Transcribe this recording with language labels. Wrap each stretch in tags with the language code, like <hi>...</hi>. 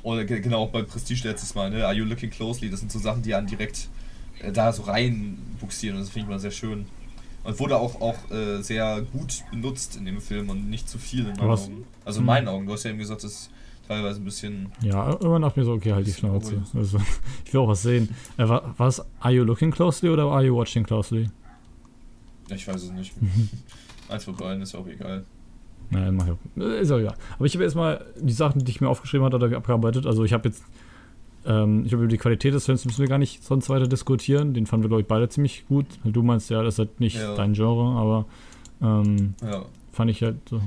<de>Oder genau, auch bei Prestige letztes Mal, ne,</de> <en>Are You Looking Closely?</en> <de>Das sind so Sachen, die einen direkt da so reinbuxieren und das finde ich immer sehr schön. Und wurde auch sehr gut benutzt in dem Film und nicht zu viel in meinen Augen. Also in meinen Augen. Du hast ja eben gesagt, das ist teilweise ein bisschen... Ja, immer nach mir so, okay, halt die Schnauze. Also, ich will auch was sehen. Was?</de> <en>Are you looking closely</en> <de>oder</de> <en>are you watching closely?</en> <de>Ich weiß es nicht. Eins von beiden ist auch egal. Nein, mach ich auch. Ist auch egal. Aber ich habe erstmal die Sachen, die ich mir aufgeschrieben hatte, abgearbeitet. Also ich habe jetzt... ich glaube, über die Qualität des Films müssen wir gar nicht sonst weiter diskutieren. Den fanden wir, glaube ich, beide ziemlich gut. Du meinst ja, das ist halt nicht dein Genre, aber fand ich halt so.</de>